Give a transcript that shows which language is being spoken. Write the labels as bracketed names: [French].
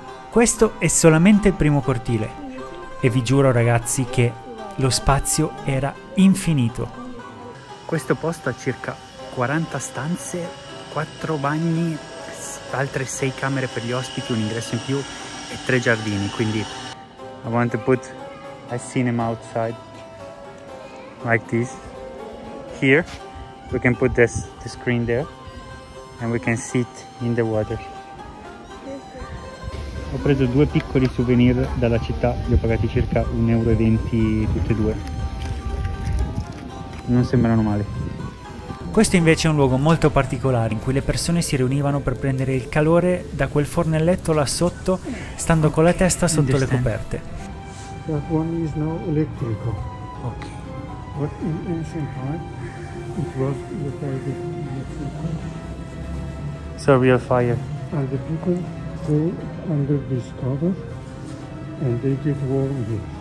[Italian] Questo è solamente il primo cortile, e vi giuro ragazzi che lo spazio era infinito. Questo posto ha circa 40 stanze, 4 bagni, altre 6 camere per gli ospiti, un ingresso in più e 3 giardini, quindi... [English] I want to put a cinema outside, like this, here, we can put this, the screen there, and we can sit in the water. [Italian] Ho preso 2 piccoli souvenir dalla città, li ho pagati circa 1,20 euro tutti e 2. Non sembrano male. Questo invece è un luogo molto particolare in cui le persone si riunivano per prendere il calore da quel fornelletto là sotto, stando con la testa sotto le coperte. [English] That one is now electrical. Okay. But in ancient time it was electric. So real fire. And the people go under this cover and they get warm here.